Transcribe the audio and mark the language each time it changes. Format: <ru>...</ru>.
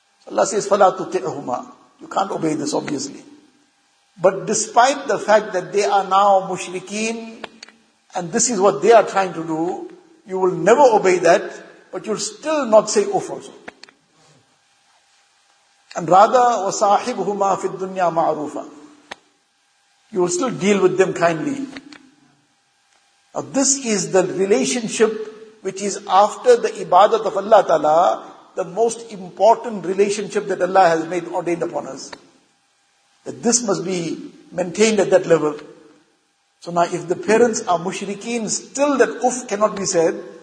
<en>Allah says,</en> <ar>فَلَا تُطِعْهُمَا.</ar> <en>You can't obey this, obviously. But despite the fact that they are now mushrikeen, and this is what they are trying to do, you will never obey that, but you'll still not say uff also.</en> <ar>And rather, وَصَاحِبْهُمَا فِي الدُّنْيَا مَعْرُوفًا.</ar> <en>You will still deal with them kindly. Now this is the relationship which is after the ibadat of Allah Ta'ala, the most important relationship that Allah has made ordained upon us. That this must be maintained at that level. So now if the parents are mushrikeen, still that uff cannot be said.</en>